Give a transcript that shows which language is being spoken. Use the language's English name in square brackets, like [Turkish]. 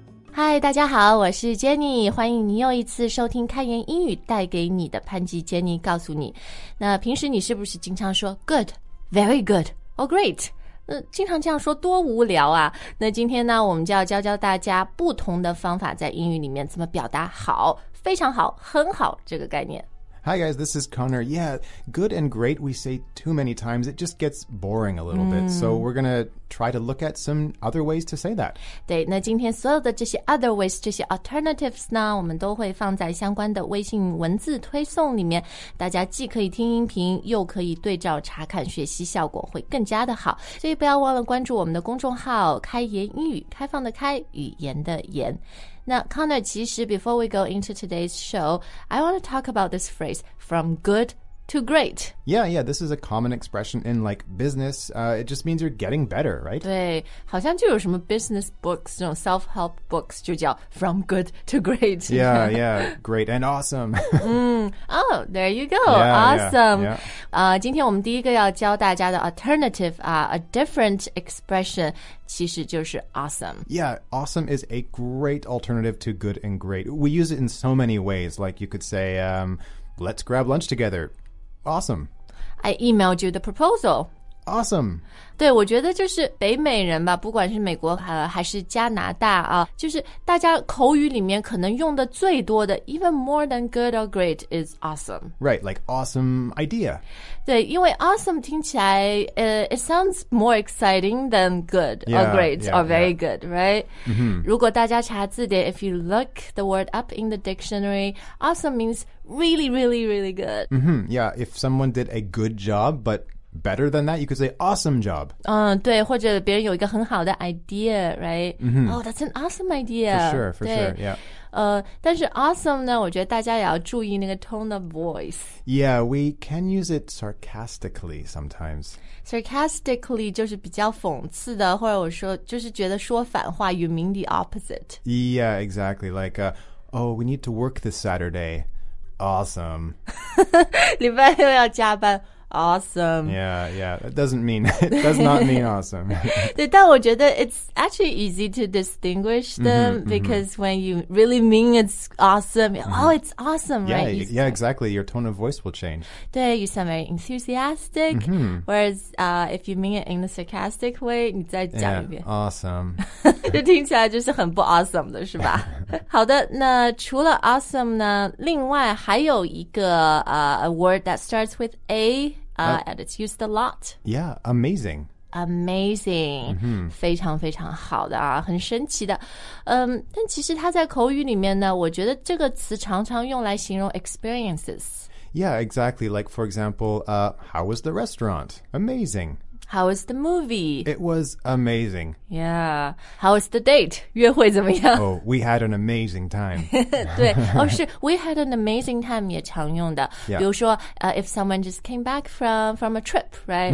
[Chinese] 嗨，大家好，我是 Jenny， 欢迎你又一次收听开言英语带给你的潘吉 Jenny 告诉你。那平时你是不是经常说 [English] good, very good, or great? [Chinese] 经常这样说多无聊啊。那今天呢，我们就要教教大家不同的方法在英语里面怎么表达好、非常好、很好这个概念。 [English] Hi guys, this is Connor. Yeah, good and great we say too many times. It just gets boring a little bit. So we're going to try to look at some other ways to say that. [Chinese] 对，那今天所有的这些 [English] other ways, [Chinese] 这些 alternatives 呢，我们都会放在相关的微信文字推送里面。大家既可以听音频，又可以对照查看，学习效果会更加的好。所以不要忘了关注我们的公众号，开言英语，开放的开，语言的言。 [English] Now, Connor, [Chinese] 其实 [English] before we go into today's show, I want to talk about this phrase, from good to great. Yeah, this is a common expression in, like, business. It just means you're getting better, right? [Chinese] 对，好像就有什么 [English] business books, [Chinese] 这种 [English] self-help books, [Chinese] 就叫 [English] from good to great. Yeah, great and awesome. Oh, there you go, awesome. Yeah. [Chinese] 今天我们第一个要教大家的 alternative, [English] a different expression, [Chinese] 其实就是 awesome. [English] Yeah, awesome is a great alternative to good and great. We use it in so many ways. Like you could say, let's grab lunch together. Awesome. I emailed you the proposal. Awesome. [Chinese] 对，我觉得就是北美人吧，不管是美国还是加拿大啊，就是大家口语里面可能用的最多的 [English] even more than good or great is awesome. Right, like awesome idea. [Chinese] 对，因为 [English] awesome [Chinese] 听起来 [English] it sounds more exciting than good or great or very good, right? Mm-hmm. [Chinese] 如果大家查字典 [English] if you look the word up in the dictionary, awesome means really, really, really good. Mm-hmm. Yeah, if someone did a good job, butBetter than that, you could say awesome job. [Chinese] 对，或者别人有一个很好的 idea, right? Mm-hmm. [English] Oh, that's an awesome idea. For sure, yeah. [Chinese] 但是 awesome 呢，我觉得大家也要注意那个 [English] tone of voice. Yeah, we can use it sarcastically sometimes. [Chinese] Sarcastically 就是比较讽刺的，或者我说就是觉得说反话 [English] you mean the opposite. Yeah, exactly. Like, we need to work this Saturday. Awesome. [Chinese] 礼拜六要加班。Awesome. [English] Yeah, that doesn't mean, it does not mean awesome. [Chinese] 对，但我觉得 [English] it's actually easy to distinguish them because when you really mean it's awesome, it's awesome, yeah, right? Yeah, exactly. Your tone of voice will change. 对, you sound very enthusiastic, whereas if you mean it in a sarcastic way, [Chinese] 你再讲一遍。 [English] Yeah, awesome. [Chinese] 就听起来就是很不 awesome 的是吧？好的，那除了 [English] awesome 呢， [Chinese] 另外还有一个 [English] a word that starts with A,and it's used a lot. Yeah, amazing. Amazing. Mm-hmm. [Chinese] 非常非常好的啊，很神奇的。但其实它在口语里面呢，我觉得这个词常常用来形容 experiences. [English] Yeah, exactly. Like, for example, how was the restaurant? Amazing. How was the movie? It was amazing. Yeah. How was the date? [Chinese] 约会怎么样？ [English] Oh, we had an amazing time. [Chinese] 对，哦，是 [English] we had an amazing time [Chinese] 也常用的。 [English] Yeah. [Chinese] 比如说 [English] if someone just came back from a trip, right?